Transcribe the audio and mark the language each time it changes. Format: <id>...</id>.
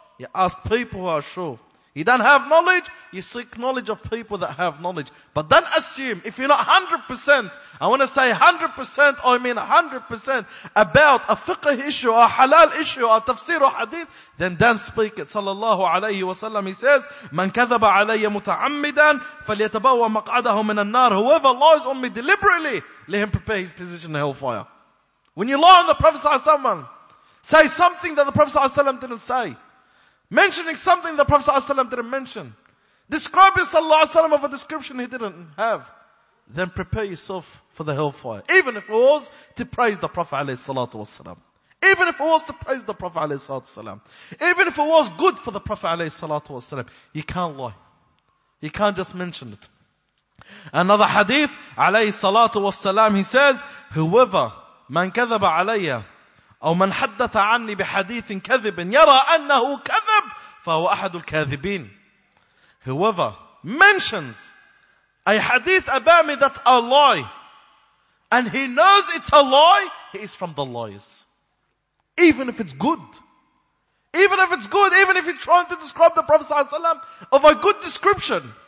<en>You ask people who are sure. You don't have knowledge, you seek knowledge of people that have knowledge. But don't assume, if you're not 100%, I want to say 100%, or I mean 100%, about a fiqh issue, or a halal issue, or a tafsir, or hadith, then don't speak it.</en> <ar>Sallallahu alayhi wa sallam,</ar> <en>he says,</en> <ar>مَنْ كَذَبَ عَلَيَّ مُتَعَمِّدًا فَلْيَتَبَوَّ مَقْعَدَهُ مِنَ النَّارِ.</ar> <en>Whoever lies on me deliberately, let him prepare his position in hellfire. When you lie on the Prophet sallallahu alayhi wa sallam, say something that the Prophet sallallahu alayhi wa sallam didn't say. Mentioning something the Prophet ﷺ didn't mention. Describing ﷺ of a description he didn't have. Then prepare yourself for the hellfire. Even if it was to praise the Prophet ﷺ. Even if it was to praise the Prophet ﷺ. Even if it was good for the Prophet ﷺ. You can't lie. You can't just mention it. Another hadith, ﷺ, he says, whoever,</en> <ar>man kathaba alayya, أو من حدث عني بحديث كذب يرى أنه كذب فهو أحد الكاذبين.</ar> <en>Whoever mentions a hadith about me that's a lie, and he knows it's a lie, he is from the liars. Even if it's good. Even if it's good, even if you're trying to describe the Prophet sallallahu alaihi wasallam of a good description.</en>